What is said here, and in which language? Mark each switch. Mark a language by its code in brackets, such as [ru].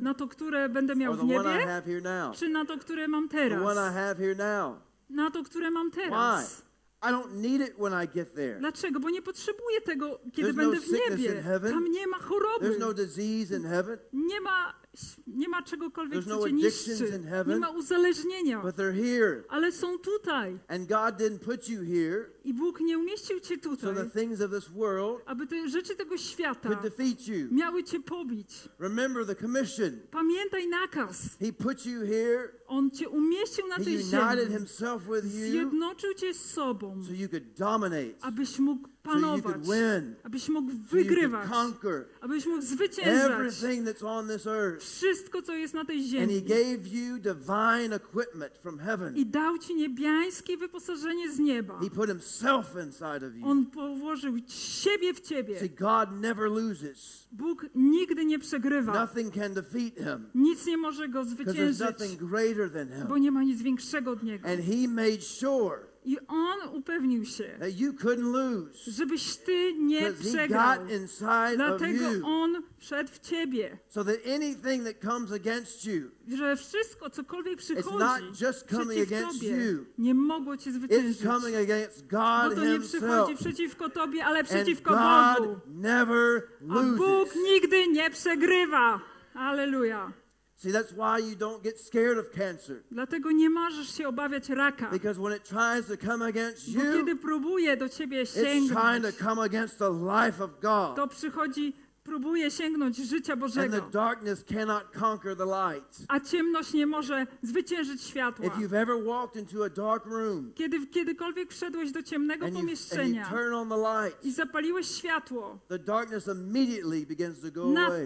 [pl] Na to, które będę miał w niebie? [en] Or the one I have here now? [pl] Czy na to, które mam teraz? [en] The one I have here now? [pl] Na to, które mam teraz? [en] Why? I don't need it when I get there. [pl] Dlaczego? Bo nie potrzebuję tego, kiedy [en] There's [pl] będę [en] no [pl] w niebie. [en] Sickness in heaven. [pl] Tam nie ma choroby. [en] There's no disease in heaven. [pl] Nie ma czegokolwiek, [en] There's [pl] co [en] no [pl] cię [en] addictions [pl] niszczy. [en] In heaven. [pl] Nie ma uzależnienia. [en] But they're here. [pl] Ale są tutaj. [en] And God didn't put you here. [pl] I Bóg nie umieścił cię tutaj. [en] So the things of this world, [pl] aby te rzeczy tego świata [en] could defeat you. [pl] Miały cię pobić. [en] Remember the commission. [pl] Pamiętaj nakaz. [en] He put you here. [pl] On cię umieścił na [en] He [pl] tej [en] united [pl] ziemi. [en] Himself with you. [pl] Zjednoczył cię z sobą. [en] So you could dominate. [pl] Abyś mógł panować. [en] So you could win. [pl] Abyś mógł wygrywać. [en] So you could conquer. [pl] Abyś mógł zwyciężać. [en] Everything that's on this earth. [pl] Wszystko, co jest na tej ziemi. [en] And he gave you divine equipment from heaven. [pl] I dał ci niebiańskie wyposażenie z nieba. [en] He put himself inside of you. [pl] On położył siebie w ciebie. [en] See, God never loses. [pl] Bóg nigdy nie przegrywa. [en] Nothing can defeat him. [pl] Nic nie może go zwyciężyć. [en] Because there's nothing greater than him. [pl] Bo nie ma nic większego od niego. [en] And he made sure. [pl] I on upewnił się, [en] that you couldn't lose, [pl] żebyś ty nie przegrał. Dlatego on wszedł w ciebie. [en] So that anything that comes against you, [pl] że wszystko, cokolwiek przychodzi, [en] it's not just coming against you, [pl] nie mogło cię zwyciężyć. [en] It's coming against God [pl] Bo to nie [en] himself. [pl] Przychodzi przeciwko tobie, ale przeciwko [en] And God [pl] Bogu. [en] Never loses. [pl] A Bóg nigdy nie przegrywa. Alleluja. [en] See, that's why you don't get scared of cancer. [pl] Dlatego nie możesz się obawiać raka. [en] Because when it tries to come against you, [pl] bo kiedy próbuje do ciebie sięgnąć, [en] it's trying to come against the life of God. [pl] To przychodzi, próbuje sięgnąć życia Bożego. [en] And the darkness cannot conquer the light. [pl] A ciemność nie może zwyciężyć światła. [en] If you've ever walked into a dark room, [pl] kiedykolwiek wszedłeś do ciemnego pomieszczenia, [en] and you turn on the light, [pl] i zapaliłeś światło, [en] the darkness immediately begins to go away.